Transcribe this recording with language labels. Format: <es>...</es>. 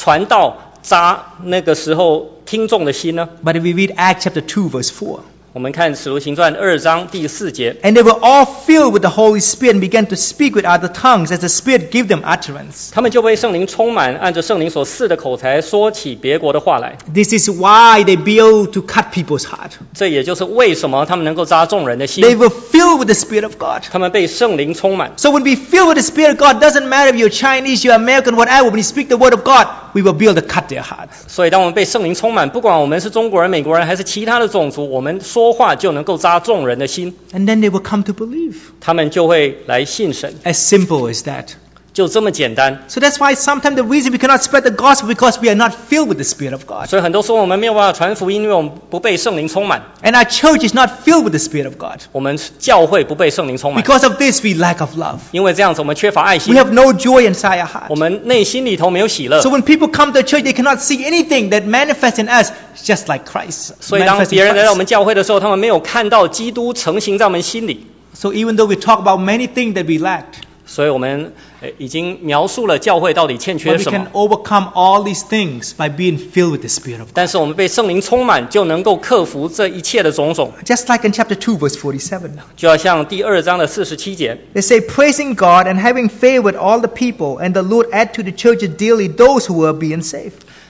<zh>为什么那时候的使徒能够站起来传道，扎那个时候听众的心呢？</zh> <en>But if we read Acts chapter 2 verse 4.</en> <zh>我们看使徒行传2章第4节。</zh> <en>And they were all filled with the Holy Spirit and began to speak with other tongues as the Spirit gave them utterance.</en> <zh>他们就被圣灵充满，按着圣灵所赐的口才说起别国的话来。</zh> <en>This is why they built to cut people's heart.</en> <zh>这也就是为什么他们能够扎众人的心。</zh> <en>They were filled with the Spirit of God.</en> <zh>他们被圣灵充满。</zh> <en>So when we fill with the Spirit of God, doesn't matter if you're Chinese, you're American, whatever, when you speak the word of God, we will be able to cut their heart.</en> <zh>所以当我们被圣灵充满，不管我们是中国人、美国人还是其他的种族，我们 说话就能够扎众人的心。</zh> <en>And then they will come to believe.</en> <zh>他们就会来信神。</zh> <en>As simple as that.</en> <zh>就这么简单.</zh> <en>So that's why sometimes the reason we cannot spread the gospel is because we are not filled with the Spirit of God.</en> <zh>所以很多时候我们没有办法传福音，因为我们不被圣灵充满.</zh> <en>And our church is not filled with the Spirit of God.</en> <zh>我们教会不被圣灵充满.</zh> <en>Because of this, we lack of love.</en> <zh>因为这样子，我们缺乏爱心.</zh> <en>We have no joy inside our heart.</en> <zh>我们内心里头没有喜乐.</zh> <en>So when people come to church, they cannot see anything that manifests in us just like Christ.</en> <zh>所以当别人来到我们教会的时候, 他们没有看到基督成形在我们心里.</zh> <en>So even though we talk about many things that we lacked,</en> <zh>所以我们已经描述了教会到底欠缺什么。</zh> <en>But we can overcome all these things by being filled with the Spirit of God.</en> <zh>但是我们被圣灵充满，就能够克服这一切的种种。</zh> <en>Just like in chapter 2, verse 47.</en> <zh>就要像第二章的47节。</zh> <en>They say, praising God and having favor with all the people, and the Lord add to the church daily those who are being saved.</en>